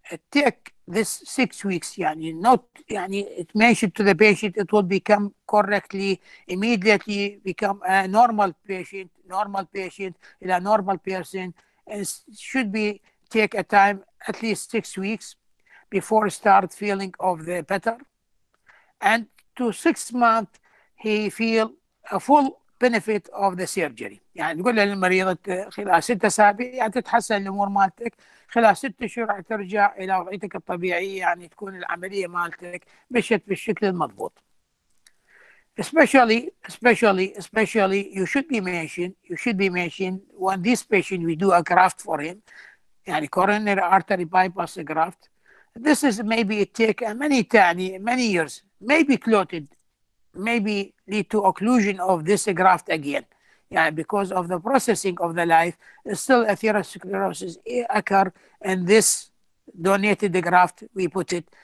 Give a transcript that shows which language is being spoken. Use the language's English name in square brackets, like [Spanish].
[English] Take this 6 weeks, يعني not يعني it mentioned to the patient it will become correctly immediately, become a normal patient, in a normal person. And should be take a time at least 6 weeks before start feeling of the better, and to 6 months he feel a full benefit of the surgery. [Arabic] يعني تقول للمريضة خلال 6 أسابيع يعني تتحسن الأمور مالتك, خلال 6 شهور ترجع إلى وضعيتك الطبيعية, يعني تكون العملية مالتك مشت بالشكل المضبوط. [English] Especially, you should be mentioned, when this patient we do a graft for him, يعني coronary artery bypass graft, this is maybe it take many, many years, maybe clotted, maybe lead to occlusion of this graft again, yeah, because of the processing of the life, still atherosclerosis occur and this donated graft we put it.